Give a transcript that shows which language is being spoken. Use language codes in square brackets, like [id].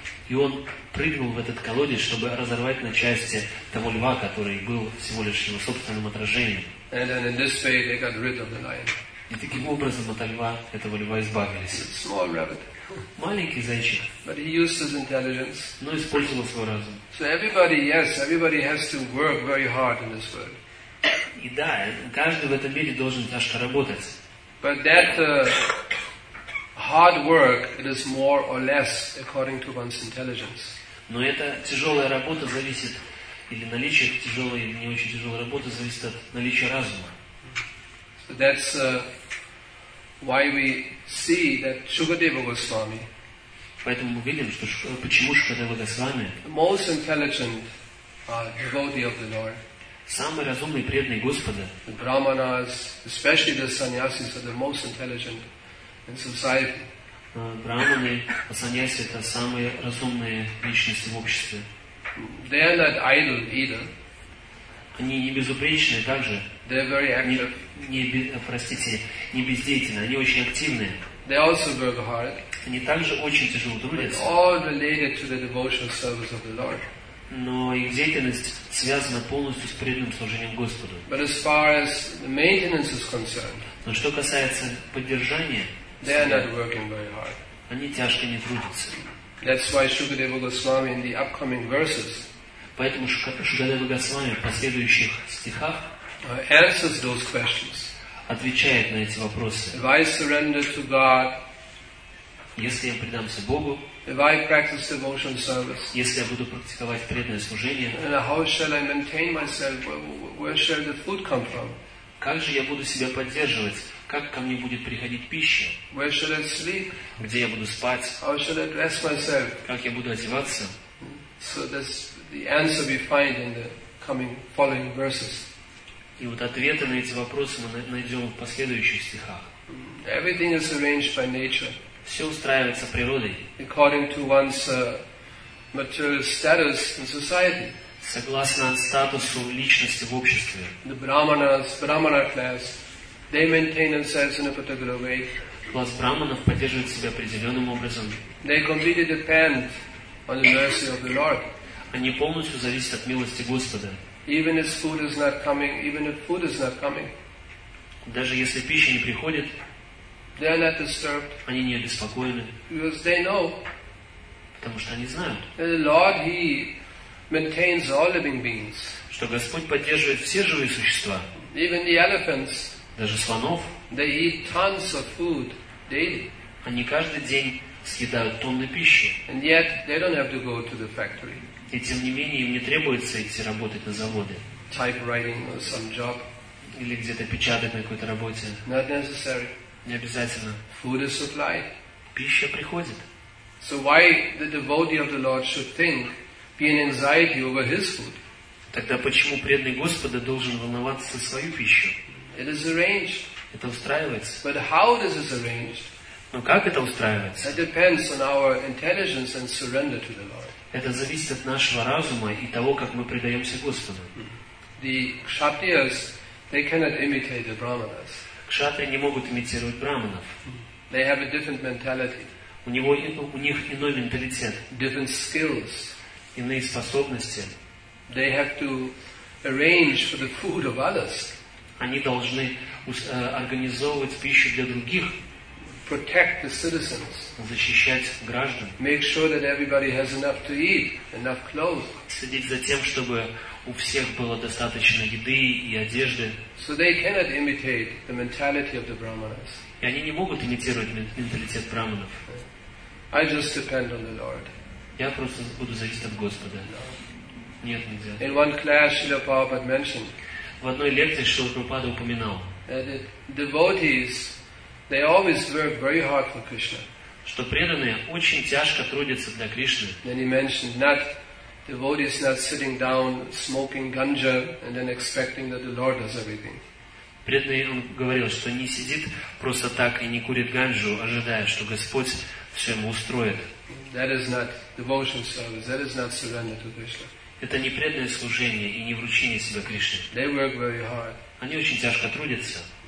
[ru] И он прыгнул в этот колодец, чтобы разорвать на части того льва, который был всего лишь его собственным отражением. [en] And then in this way they got rid of the lion. [ru] И таким образом от льва, этого льва избавились. [en] It's a small rabbit. [ru] Маленький зайчик. [en] But he used his intelligence. [ru] Но использовал свой разум. [en] So everybody, yes, everybody has to work very hard in this world. [ru] И да, каждый в этом мире должен тяжко работать. [en] But that hard work, it is more or less according to one's intelligence. [ru] Но эта тяжелая работа зависит, или наличие тяжелой или не очень тяжелой работы зависит от наличия разума. [en] So that's why we see that Shukadeva Goswami. [ru] Поэтому мы видим, что почему Шукадева Госвами. [en] The most intelligent devotee of the Lord. [ru] Самый разумный преданный Господа. [en] The brahmanas, especially the sannyasis, are the most intelligent in society. [ru] Брахманы, саньяси, это самые разумные личности в обществе. [en] They are not idle either. [ru] Они не безупречные также. [en] They are very active. [ru] Не бездеятельны. Они очень активные. [en] They also work hard. [ru] Они также очень тяжело трудятся. [en] All related to the devotional service of the Lord. [ru] Но их деятельность связана полностью с преданным служением Господу. [en] But as far as the maintenance is concerned. [ru] Но что касается поддержания. [en] They are not working very hard. [ru] Они тяжко не трудятся. [en] That's why Shukadeva Goswami in the upcoming verses. [ru] Поэтому Шукадева Госвами в последующих стихах [en] answers those questions. [ru] Отвечает на эти вопросы. [en] If I surrender to God, [ru] если я предамся Богу, [en] if I practice devotional service, [ru] если я буду практиковать преданное служение, [en] then how shall I maintain myself? Where shall the food come from? [ru] Как же я буду себя поддерживать? Как ко мне будет приходить пища? [en] Where shall I sleep? [ru] Где я буду спать? [en] How shall I dress myself? [ru] Как я буду одеваться? [en] So that's the answer we find in the coming following verses. [ru] И вот ответы на эти вопросы мы найдем в последующих стихах. [en] Everything is arranged by nature. [ru] Все устраивается природой. [en] According to one's material status in society. [ru] Согласно статусу личности в обществе. [en] The brahmanas, brahmana class, they maintain themselves in a particular way. [ru] Класс брахманов поддерживает себя определенным образом. [en] They completely depend on the mercy of the Lord. [ru] Они полностью зависят от милости Господа. [en] Even if food is not coming, even if food is not coming. [ru] Даже если пища не приходит, [en] they are not disturbed. [ru] Они не обеспокоены. [en] Because they know. [ru] Потому что они знают. [en] And the Lord, He maintains all living beings. [ru] Что Господь поддерживает все живые существа. [en] Even the elephants. [ru] Даже слонов. [en] They eat tons of food daily. [ru] Они каждый день съедают тонны пищи. [en] And yet they don't have to go to the factory. [ru] И тем не менее им не требуется идти работать на заводе. [en] Typewriting or some job. [ru] Или где-то печатать на какой-то работе. [en] Not necessary. [ru] Не обязательно. [en] Food is supplied. [ru] Пища приходит. [en] So why the devotee of the Lord should think, be in anxiety over his food? [ru] Тогда почему преданный Господа должен волноваться за свою пищу? [en] It is arranged. [ru] Это устраивается. [en] But how this is arranged? [ru] Но как это устраивается? [en] It depends on our intelligence and surrender to the Lord. [ru] Это зависит от нашего разума и того, как мы предаемся Господу. [en] The kshatriyas, they cannot imitate the brahmanas. [ru] Кшатрии не могут имитировать брахманов. [en] They have a different mentality. [ru] У них иной менталитет. [en] Different skills. [ru] Иные способности. [en] They have to arrange for the food of others. [ru] Они должны организовывать пищу для других. [en] Protect the citizens. [ru] Защищать граждан. [en] Make sure that everybody has enough to eat, enough clothes. [ru] Следить за тем, чтобы у всех было достаточно еды и одежды. [en] So they cannot imitate the mentality of the brahmanas. [ru] И они не могут имитировать менталитет брахманов. [en] I just depend on the Lord. [ru] Я просто буду зависеть от Господа. Нет, [en] in one class, Srila Prabhupada mentioned. [ru] В одной лекции Шрила Прабхупада упоминал. [en] That devotees, they always work very hard for Krishna. [ru] Что преданные очень тяжко трудятся для Кришны. [en] Then he mentioned not devotees not sitting down smoking ganja and then expecting that the Lord does everything. [ru] Преданный говорил, что не сидит просто так и не курит ганджу, ожидая, что Господь все ему устроит. [en] That is not devotion service. That is not surrender to Krishna. [ru] Это не преданное служение и не вручение себя Кришне. [en] They work very hard. [ru] Они очень тяжко трудятся.